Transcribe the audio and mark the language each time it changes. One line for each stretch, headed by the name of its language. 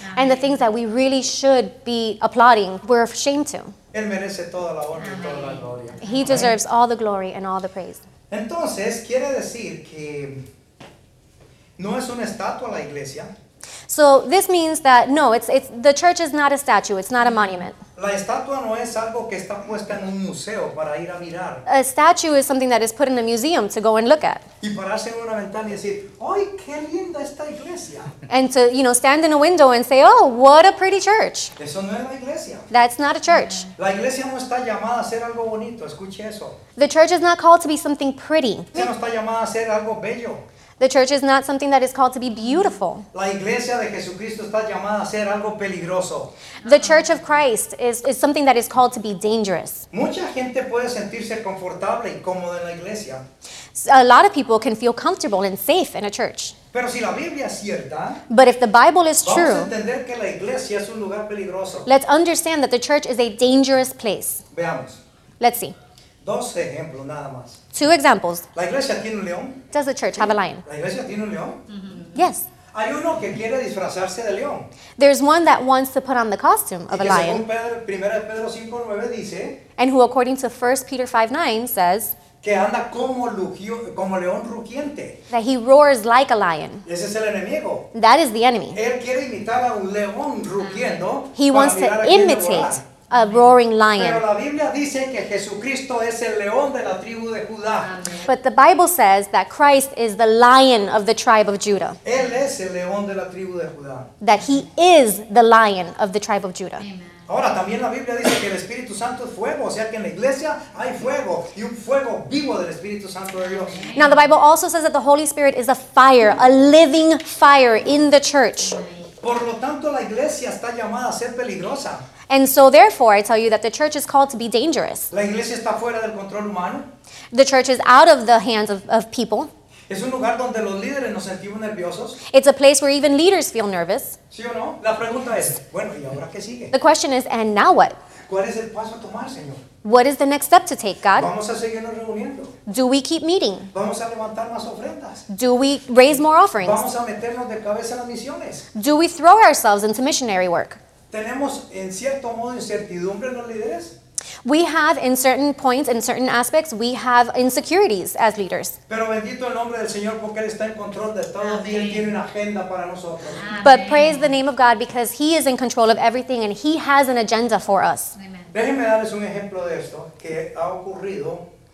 English: And the things that we really should be applauding, we're ashamed to.
Spanish: Él merece toda la honra y toda la gloria.
English: He deserves all the glory and all the praise.
Spanish: Entonces, quiere decir que no es una estatua la iglesia.
English: So So this means that no, it's the church is not a statue, it's not a monument.
Spanish: La estatua no es algo que está puesta en un museo para ir a mirar.
English: A statue is something that is put in a museum to go and look at.
Spanish: Y pararse en una ventana y decir, ¡ay, qué linda esta iglesia!
English: And to, you know, stand in a window and say, oh, what a pretty church.
Spanish: Eso no es la iglesia.
English: That's not a church.
Spanish: La iglesia no está llamada a ser algo bonito, escuche eso.
English: The church is not called to be something pretty.
Spanish: Ella no está llamada a ser algo bello.
English: The church is not something that is called to be beautiful.
Spanish: La iglesia de Jesucristo está llamada a ser algo peligroso.
English: The church of Christ is something that is called to be dangerous.
Spanish: Mucha gente puede sentirse confortable y cómodo en la iglesia.
English: A lot of people can feel comfortable and safe in a church.
Spanish: Pero si la Biblia es cierta,
English: but if the Bible is true,
Spanish: vamos a entender que la iglesia es un lugar peligroso.
English: Let's understand that the church is a dangerous place.
Spanish: Veamos.
English: Let's see.
Spanish: Dos ejemplos nada más.
English: Two examples.
Spanish: La iglesia tiene un león.
English: Does the church have a lion?
Spanish: La iglesia tiene un león. Mm-hmm.
English: Yes.
Spanish: Hay uno que quiere disfrazarse de león.
English: There's one that wants to put on the costume of
Spanish: y
English: a lion.
Spanish: Según Pedro 5:9 dice.
English: And who, according to 1 Peter 5:9, says.
Spanish: Que anda como león rugiente.
English: That he roars like a lion.
Spanish: Ese es el enemigo.
English: That is the enemy.
Spanish: Él quiere imitar a un león rugiendo.
English: He wants to imitate a roaring lion.
Spanish: Pero la Biblia dice que Jesucristo es el león de la tribu de Judá.
English: But the Bible says that Christ is the lion of the tribe of Judah.
Spanish: Él es el león de la tribu de Judá.
English: That he is the lion of the tribe of Judah. Amen.
Spanish: Ahora también la Biblia dice que el Espíritu Santo es fuego, o sea que en la iglesia hay fuego y un fuego vivo del Espíritu Santo de Dios.
English: Now the Bible also says that the Holy Spirit is a fire, a living fire in the church.
Spanish: Por lo tanto la iglesia está llamada a ser peligrosa.
English: And so therefore, I tell you that the church is called to be dangerous.
Spanish: La iglesia está fuera del control humano.
English: The church is out of the hands of people.
Spanish: Es un lugar donde los líderes nos sentimos nerviosos.
English: It's a place where even leaders feel nervous.
Spanish: ¿Sí o no? La pregunta es, bueno, ¿y ahora qué sigue?
English: The question is, and now what?
Spanish: ¿Cuál es el paso a tomar, Señor?
English: What is the next step to take, God?
Spanish: Vamos a seguirnos reuniendo.
English: Do we keep meeting?
Spanish: Vamos a levantar más ofrendas.
English: Do we raise more offerings?
Spanish: Vamos a meternos de cabeza en las misiones.
English: Do we throw ourselves into missionary work?
Spanish: ¿Tenemos en cierto modo incertidumbre en los líderes?
English: We have in certain points, in certain aspects, we have insecurities as leaders.
Spanish: Pero bendito el nombre del Señor porque Él está en control de todo. Amén. Y Él tiene una agenda para nosotros. Amén.
English: But praise the name of God because He is in control of everything and He has an agenda for us.
Spanish: Amén. Déjenme darles un ejemplo de esto que ha ocurrido.